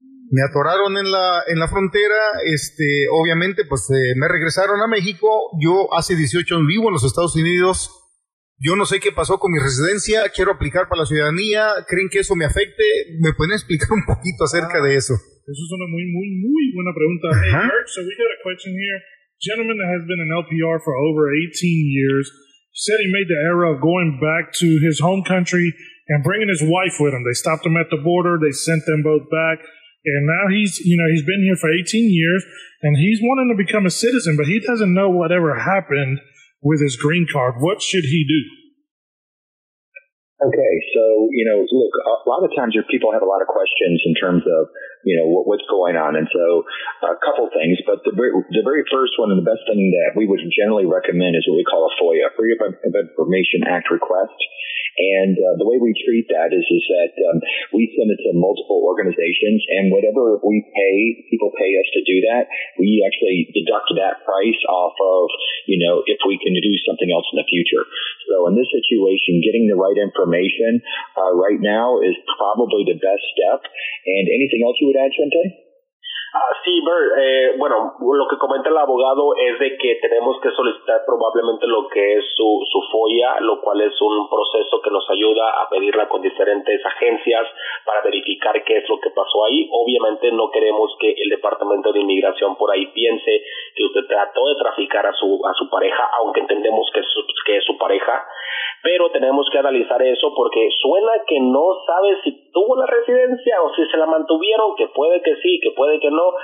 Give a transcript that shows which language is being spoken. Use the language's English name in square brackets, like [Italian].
[Spanish] Me atoraron en la frontera, obviamente, me regresaron a México. Yo hace 18 años vivo en los Estados Unidos. Yo no sé qué pasó con mi residencia. Quiero aplicar para la ciudadanía. ¿Creen que eso me afecte? ¿Me pueden explicar un poquito acerca de eso? Eso es una muy, muy, muy buena pregunta. [English] Uh-huh. Hey, Kirk, so we got a question here. Gentleman that has been an LPR for over 18 years. Said he made the error of going back to his home country and bringing his wife with him. They stopped him at the border. They sent them both back. And now he's been here for 18 years, and he's wanting to become a citizen, but he doesn't know whatever happened with his green card. What should he do? Okay, so, look, a lot of times your people have a lot of questions in terms of, what's going on. And so a couple things, but the very first one and the best thing that we would generally recommend is what we call a FOIA, Freedom of Information Act request. And the way we treat that is that we send it to multiple organizations, and whatever people pay us to do that, we actually deduct that price off of, if we can do something else in the future. So in this situation, getting the right information right now is probably the best step. And anything else you would add, Shante? [Spanish] Sí, Bert, bueno, lo que comenta el abogado es de que tenemos que solicitar probablemente lo que es su FOIA, lo cual es un proceso que nos ayuda a pedirla con diferentes agencias para verificar qué es lo que pasó ahí. Obviamente no queremos que el Departamento de Inmigración por ahí piense que usted trató de traficar a su pareja, aunque entendemos que es su pareja, pero tenemos que analizar eso porque suena que no sabe si tuvo la residencia o si se la mantuvieron, que puede que sí, que puede que no.